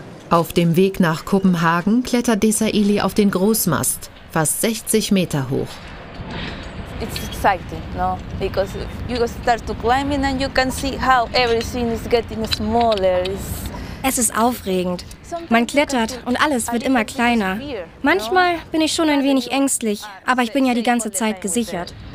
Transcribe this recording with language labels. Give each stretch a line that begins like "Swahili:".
German: Auf dem Weg nach Kopenhagen klettert Desaeli auf den Großmast, fast 60 Meter hoch.
English: It's exciting, no? Because you start to climbing and you can see how everything is getting smaller.
German: Es ist aufregend. Man klettert und alles wird immer kleiner. Manchmal bin ich schon ein wenig ängstlich, aber ich bin ja die ganze Zeit gesichert.